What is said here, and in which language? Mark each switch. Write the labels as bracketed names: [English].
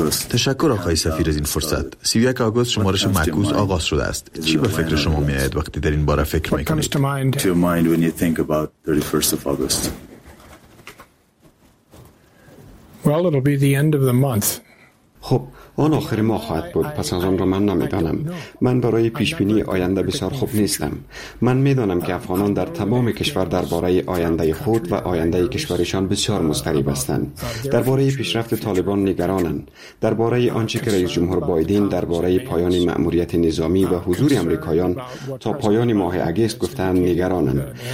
[Persian] تشکر آقای سفیر از این فرصت. 31 آگوست شمارش معکوس آغاز شده است. چی به فکر شما می آید وقتی در این باره فکر می کنید؟ [English] To your mind when you think about 31st of August. Well, it'll be the end of the month. [Persian] خب، آن آخر ماه خواهد بود. پس از آن را من نمیدانم. من برای پیشبینی آینده بسیار خوب نیستم. من میدانم که افغانان در تمام کشور درباره آینده خود و آینده کشورشان بسیار مضطرب هستند. درباره پیشرفت طالبان نگرانند. درباره آنچه که رئیس جمهور بایدن درباره پایان مأموریت نظامی و حضور آمریکایان تا پایان ماه آگوست گفتند نگرانند.